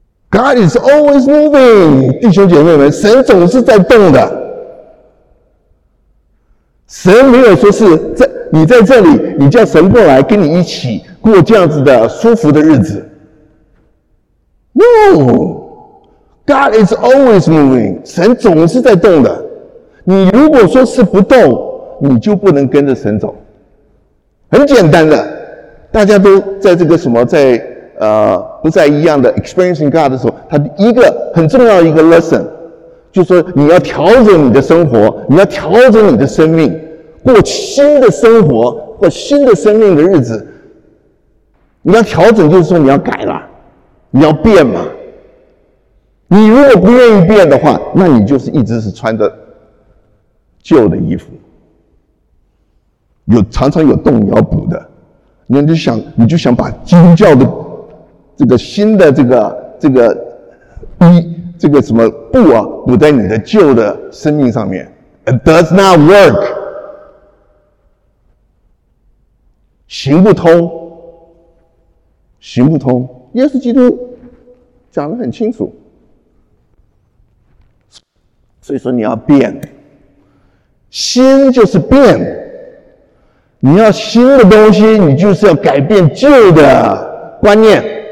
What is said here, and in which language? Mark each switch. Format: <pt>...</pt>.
<en>God is always moving，</en> <zh>弟兄姐妹们，神总是在动的。神没有说是在你在这里，你叫神过来跟你一起过这样子的舒服的日子。</zh> <en>No， God is always moving，</en> <zh>神总是在动的。你如果说是不动，你就不能跟着神走。很简单的，大家都在这个什么，在不在一样的 experiencing God 的时候，他一个很重要的一个 lesson， 就是说你要调整你的生活，你要调整你的生命，过新的生活或新的生命的日子。你要调整，就是说你要改了。你要变吗？你如果不愿意变的话，那你就是一直是穿着旧的衣服，有常常有洞要补的。你就想把基督教的这个新的这个什么布啊，补在你的旧的生命上面。</zh> <en>It does not work，</en> <zh>行不通，行不通。耶稣基督讲得很清楚，所以说你要变，心就是变，你要新的东西，你就是要改变旧的观念。</zh>